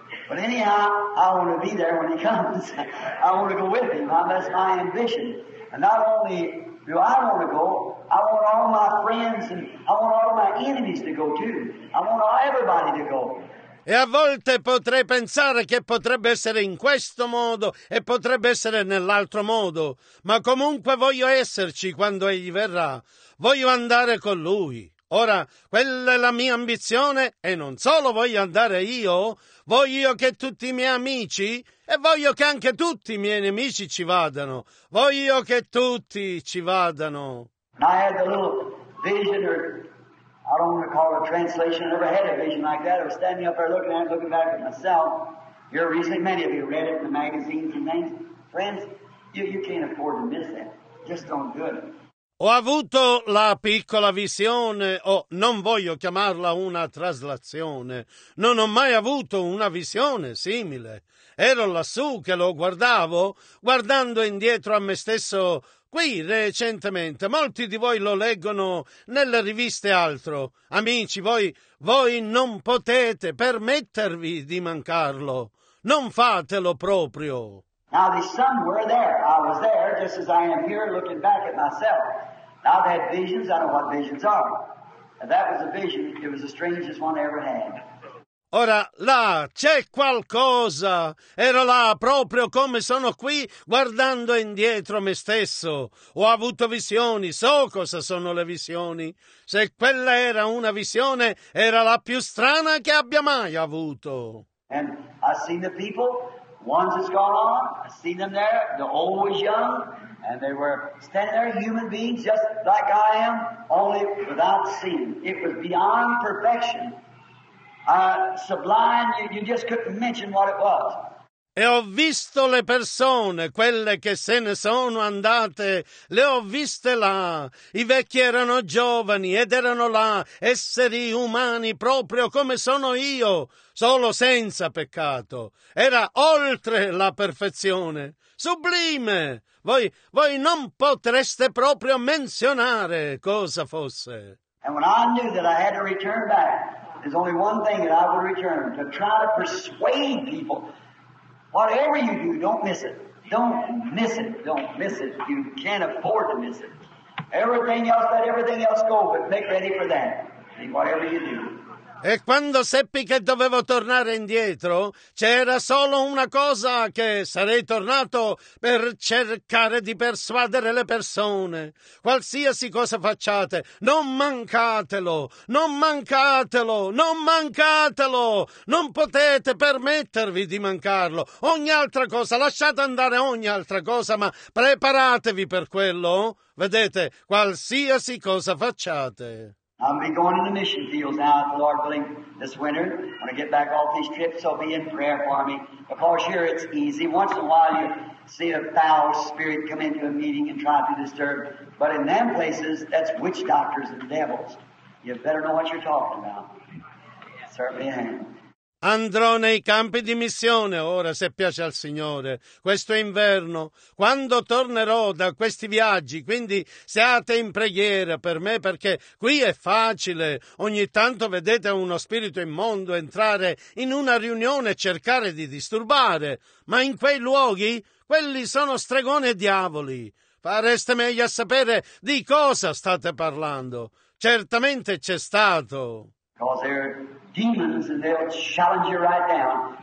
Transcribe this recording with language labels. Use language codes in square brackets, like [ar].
[en] But anyhow, I want to be there when he comes. I want to go with him. That's my ambition. And not only do I want to go, I want all my friends and I want all my enemies to go too. I want all everybody to go. [it] E a volte potrei pensare che potrebbe essere in questo modo e potrebbe essere nell'altro modo, ma comunque voglio esserci quando Egli verrà. Voglio andare con Lui. Ora, quella è la mia ambizione e non solo voglio andare io, voglio che tutti i miei amici e voglio che anche tutti i miei nemici ci vadano. Voglio che tutti ci vadano. [en] I had a little vision or... I don't want to call it a translation. I never had a vision like that. I was standing up there looking at it, looking back at myself. Here recently, many of you read it in the magazines and things. Friends, you can't afford to miss that. Just don't do it. [it] Ho avuto la piccola visione, o non voglio chiamarla una traslazione, non ho mai avuto una visione simile. Ero lassù che lo guardavo, guardando indietro a me stesso qui recentemente. Molti di voi lo leggono nelle riviste altro. Amici, voi non potete permettervi di mancarlo. Non fatelo proprio. [en] Now the sun were there. I was there just as I am here looking back at myself. Now I've had visions. I don't know what visions are. And that was a vision. It was the strangest one I ever had. [it] Ora, là, c'è qualcosa. Ero là, proprio come sono qui, guardando indietro me stesso. Ho avuto visioni, so cosa sono le visioni. Se quella era una visione, era la più strana che abbia mai avuto. [en] And I've seen the people, ones that's gone on, I've seen them there, the old was young, and they were standing there, human beings, just like I am, only without sin. It was beyond perfection. Sublime, you just couldn't mention what it was. [it] E ho visto le persone, quelle che se ne sono andate, le ho viste là. I vecchi erano giovani ed erano là, esseri umani proprio come sono io, solo senza peccato. Era oltre la perfezione, sublime. Voi non potreste proprio menzionare cosa fosse. [en] And when I knew that I had to return back, there's only one thing that I would return, to try to persuade people. Whatever you do, don't miss it. Don't miss it. Don't miss it. You can't afford to miss it. Everything else, let everything else go, but make ready for that. Whatever you do. [it] E quando seppi che dovevo tornare indietro, c'era solo una cosa che sarei tornato per cercare di persuadere le persone. Qualsiasi cosa facciate, non mancatelo, non mancatelo, non mancatelo, non potete permettervi di mancarlo. Ogni altra cosa, lasciate andare ogni altra cosa, ma preparatevi per quello. Vedete, qualsiasi cosa facciate. [en] I'm going to be going in the mission fields now, if the Lord willing, this winter. When I get back off these trips, so be in prayer for me. Because here it's easy. Once in a while you see a foul spirit come into a meeting and try to disturb. But in them places, that's witch doctors and devils. You better know what you're talking about. Certainly am. [it] Andrò nei campi di missione ora, se piace al Signore, questo inverno, quando tornerò da questi viaggi, quindi siate in preghiera per me, perché qui è facile, ogni tanto vedete uno spirito immondo entrare in una riunione e cercare di disturbare, ma in quei luoghi, quelli sono stregoni e diavoli, fareste meglio a sapere di cosa state parlando, certamente c'è stato. [en] Because there are demons and they'll challenge you right now.